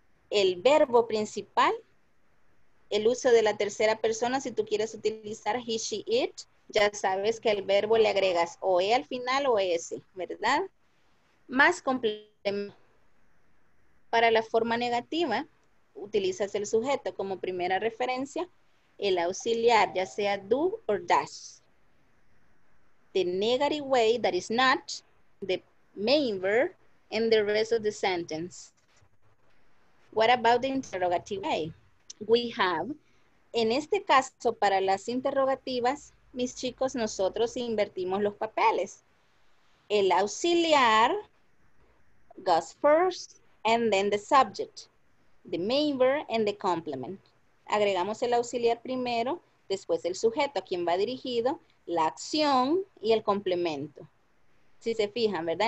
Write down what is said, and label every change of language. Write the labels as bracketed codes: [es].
[es] El verbo principal, el uso de la tercera persona, si tú quieres utilizar he, she, it, ya sabes que el verbo le agregas o e al final o s, ¿verdad? Más complemento. Para la forma negativa, utilizas el sujeto como primera referencia, el auxiliar, ya sea do or does. [en] The negative way, that is not, the main verb, and the rest of the sentence. What about the interrogative way? We have, [es] en este caso, para las interrogativas, mis chicos, nosotros invertimos los papeles. El auxiliar [en] goes first and then the subject. The main verb and the complement. [es] Agregamos el auxiliar primero, después el sujeto a quien va dirigido, la acción y el complemento. Si se fijan, ¿verdad?